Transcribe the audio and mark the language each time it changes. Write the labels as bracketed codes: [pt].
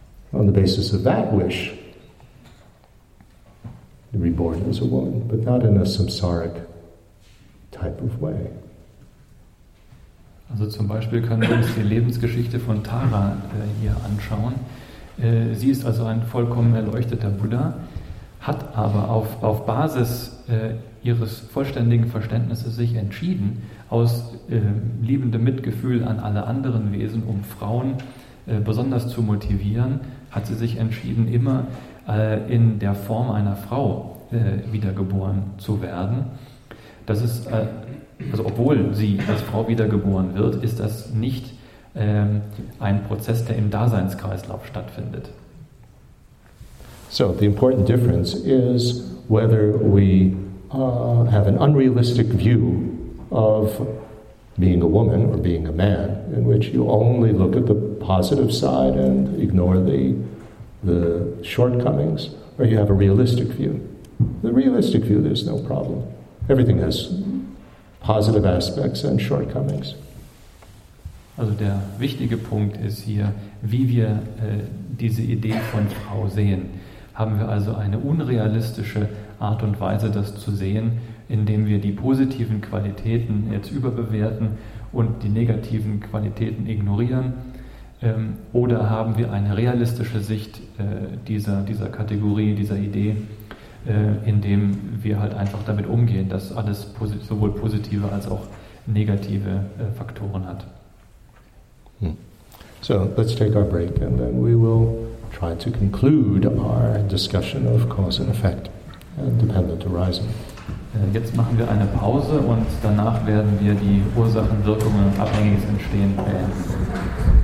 [en] On the basis of that wish, reborn as a woman, but not in a samsaric type of way. [de] Also zum Beispiel können wir uns die Lebensgeschichte von Tara hier anschauen. Sie ist also ein vollkommen erleuchteter Buddha, hat aber auf Basis ihres vollständigen Verständnisses sich entschieden, aus liebendem Mitgefühl an alle anderen Wesen, um Frauen besonders zu motivieren, hat sie sich entschieden, immer in der Form einer Frau wiedergeboren zu werden. Das ist, also obwohl sie als Frau wiedergeboren wird, ist das nicht ein Prozess, der im Daseinskreislauf stattfindet. [en] So, the important difference is whether we have an unrealistic view of being a woman or being a man, in which you only look at the positive side and ignore the shortcomings, or you have a realistic view. The realistic view, there's no problem. Everything has positive aspects and shortcomings. [de] Also der wichtige Punkt ist hier, wie wir diese Idee von Frau sehen. Haben wir also eine unrealistische Art und Weise, das zu sehen, indem wir die positiven Qualitäten jetzt überbewerten und die negativen Qualitäten ignorieren? Oder haben wir eine realistische Sicht dieser Kategorie, dieser Idee, indem wir halt einfach damit umgehen, dass alles sowohl positive als auch negative Faktoren hat. [en] So, let's take our break and then we will try to conclude our discussion of cause and effect and dependent arising. [de] Jetzt machen wir eine Pause und danach werden wir die Ursachen, Wirkungen und abhängiges Entstehen beenden.